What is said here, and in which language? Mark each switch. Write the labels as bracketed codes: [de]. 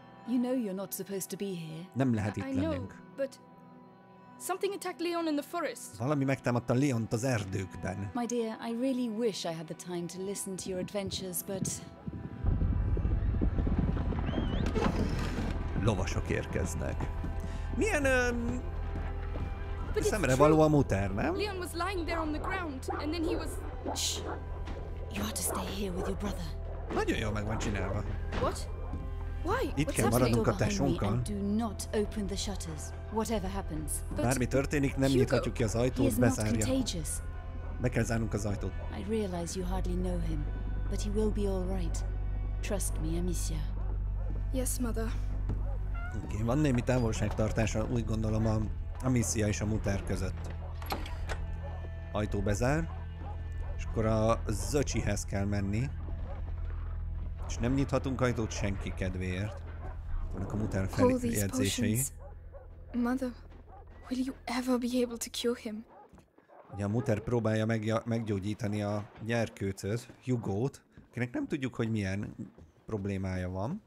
[en] You know you're not supposed to be here. [hu] Nem lehet itt lennünk. [en] But something attacked Leon in the forest. [hu] Valami megtámadta Leont az erdőkben. [en] My dear, I really wish I had the time to listen to your adventures, but [hu] lovasok érkeznek. Milyen szemre való a muter, nem? [en] Leon was lying there on the ground, and then he was... Shh! You ought to stay here with your brother. [hu] Nagyon jól meg van csinálva. [en] What? Why? [hu] Itt kell maradnunk a tesónkkal. [en] Do not open the shutters, whatever happens. [hu] Bármi történik, nem nyithatjuk ki az ajtót, bezárja. [en] He is not contagious. [hu] Be kell zárnunk az ajtót. [en] I realize you hardly know him, but he will be all right. Trust me, Amicia. Yes, mother. [hu] Oké, van némi távolságtartása, úgy gondolom, a Amicia és a Mutter között. Ajtó bezár, és akkor a Zöcsihez kell menni. És nem nyithatunk ajtót senki kedvéért. Vannak a Mutter feljegyzései. [en] Mother, will you ever be able to cure him? [hu] Ugye a Mutter próbálja meggyógyítani a gyerkőcöt, Hugót, akinek nem tudjuk, hogy milyen problémája van.